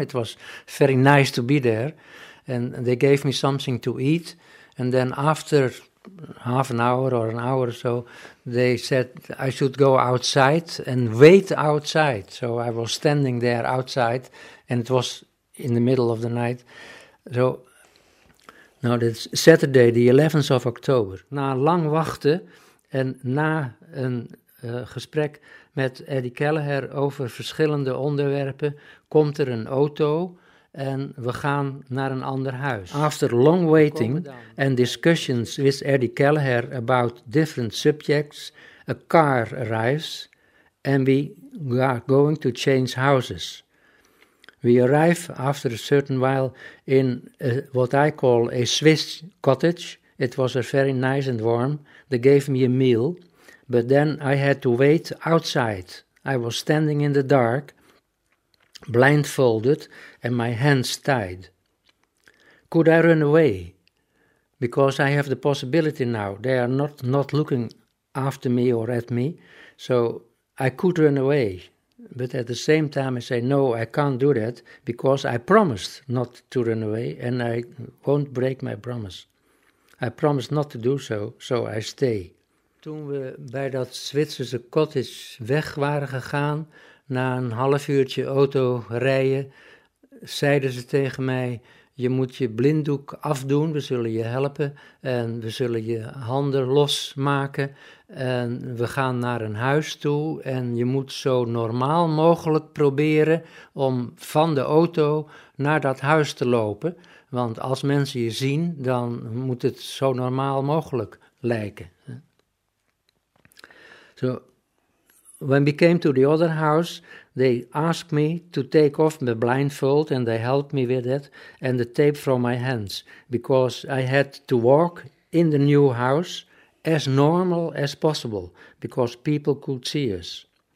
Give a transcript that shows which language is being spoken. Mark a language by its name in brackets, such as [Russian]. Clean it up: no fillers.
[English] It was very nice to be there, and they gave me something to eat, and then after half an hour or an hour or so, they said I should go outside and wait outside. So I was standing there outside, and it was in the middle of the night. So now it's Saturday, the 11th of October. [Dutch] Na lang wachten en na een gesprek met Eddie Kelleher over verschillende onderwerpen, komt er een auto en we gaan naar een ander huis. [English] After long waiting and discussions with Eddie Kelleher about different subjects, a car arrives and we are going to change houses. We arrive after a certain while in what I call a Swiss cottage. It was a very nice and warm. They gave me a meal, but then I had to wait outside. I was standing in the dark, blindfolded, and my hands tied. Could I run away? Because I have the possibility now. They are not looking after me or at me, so I could run away. But at the same time, I say, no, I can't do that, because I promised not to run away, and I won't break my promise. I promised not to do so, so I stay. [Dutch] Toen we bij dat Zwitserse cottage weg waren gegaan, na een half uurtje auto rijden, zeiden ze tegen mij, je moet je blinddoek afdoen, we zullen je helpen en we zullen je handen losmaken en we gaan naar een huis toe en je moet zo normaal mogelijk proberen om van de auto naar dat huis te lopen, want als mensen je zien, dan moet het zo normaal mogelijk lijken. Zo. [English] When we came to the other house, they asked me to take off my blindfold, and they helped me with that, and the tape from my hands, because I had to walk in the new house as normal as possible, because people could see us.